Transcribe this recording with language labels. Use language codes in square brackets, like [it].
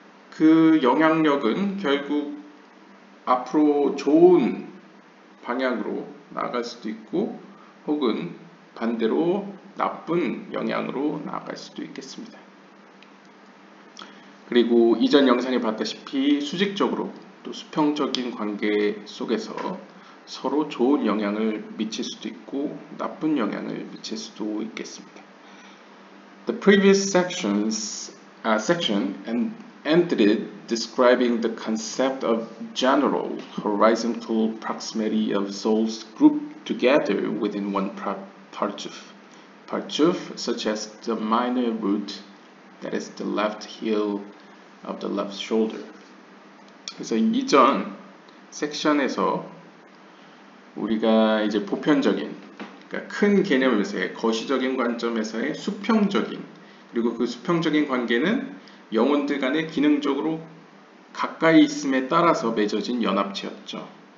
[ko] 그 영향력은 결국 앞으로 좋은 방향으로 나아갈 수도 있고, 혹은 반대로 나쁜 영향으로 나아갈 수도 있겠습니다. 그리고 이전 영상에 봤다시피 수직적으로 또 수평적인 관계 속에서 서로 좋은 영향을 미칠 수도 있고 나쁜 영향을 미칠 수도 있겠습니다. [en] The previous section ended describing the concept of general horizontal proximity of souls grouped together within one parchuf, such as the minor root, that is the left heel of the left shoulder. [ko] 그래서 이전 섹션에서 우리가 이제 보편적인, 그러니까 큰 개념에서의 거시적인 관점에서의 수평적인, 그리고 그 수평적인 관계는 영혼들 간에 기능적으로 가까이 있음에 따라서 맺어진 연합체였죠.